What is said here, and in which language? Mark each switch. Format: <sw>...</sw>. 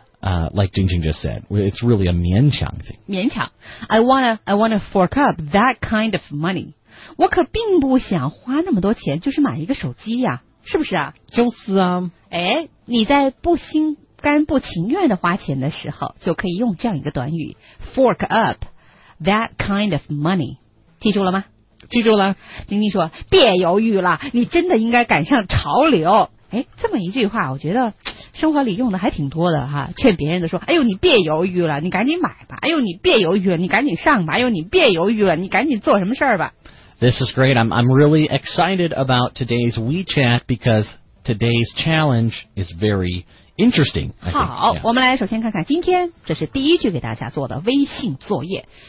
<en>Like Jingjing just said, it's really a 勉强 thing. 勉强 I wanna fork up that kind of money.</en> <zh>我可并不想花那么多钱就是买一个手机呀，是不是啊？就是啊。哎，你在不心甘不情愿的花钱的时候，就可以用这样一个短语</zh> <en>fork up that kind of money.</en> <zh>记住了吗？记住了。晶晶说：“别犹豫了，你真的应该赶上潮流。” 哎，这么一句话，我觉得。生活里用的还挺多的哈，劝别人的说，哎呦你别犹豫了，你赶紧买吧，哎呦你别犹豫了，你赶紧上吧，哎呦你别犹豫了，你赶紧做什么事儿吧。</zh> <en>This is great. I'm really excited about today's WeChat because today's challenge is very interesting.</en> <zh>好，我们来首先看看今天，这是第一句给大家做的微信作业。</zh>